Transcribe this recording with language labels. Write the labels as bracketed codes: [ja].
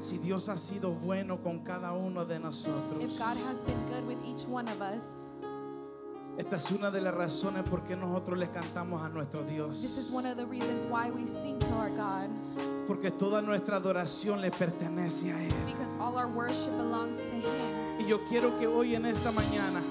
[es] Si Dios ha sido bueno con cada uno de nosotros. [en] If God has been good with each one of us. [es] Esta es una de las razones por qué nosotros le cantamos a nuestro Dios. [en] This is one of the reasons why we sing to our God. [es] Porque toda nuestra adoración le pertenece a Él. [en] Because all our worship belongs to Him. [es] Y yo quiero que hoy en esta mañana.